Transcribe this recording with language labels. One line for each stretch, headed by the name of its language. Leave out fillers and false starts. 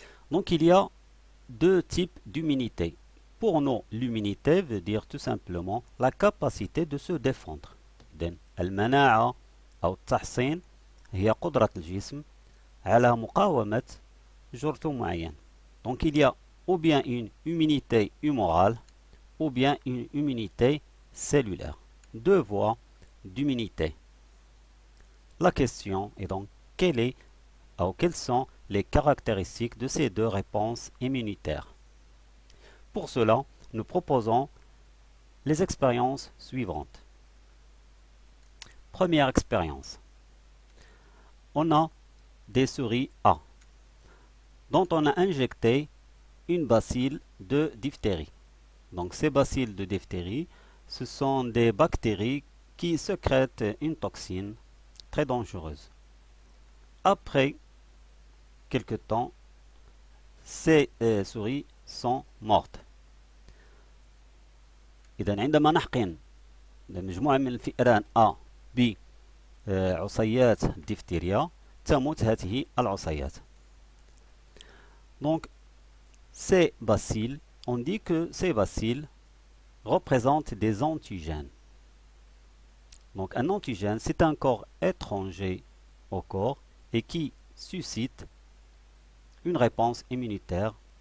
French: Donc il y a deux types d'immunité. Pour nous, l'immunité veut dire tout simplement la capacité de se défendre.
Arabic: Al-mana'a ou tahsin. هي قدرة الجسم على مقاومة جرثوم معين.
French: Donc il y a ou bien une immunité humorale ou bien une immunité cellulaire. Deux voies d'immunité. La question est donc quelles sont les caractéristiques de ces deux réponses immunitaires. Pour cela, nous proposons les expériences suivantes. Première expérience. On a des souris A, dont on a injecté une bacille de diphtérie. Donc ces bacilles de diphtérie, ce sont des bactéries qui sécrète une toxine très dangereuse. Après quelque temps, ces souris sont mortes.
Arabic: إذن عندما نحقن مجموعة من الفئران A B عصيات ديفتيريا تموت هذه العصيات.
French: Donc ces bacilles, on dit que ces bacilles représentent des antigènes. Donc un antigène, c'est un corps étranger au corps et qui suscite une réponse immunitaire.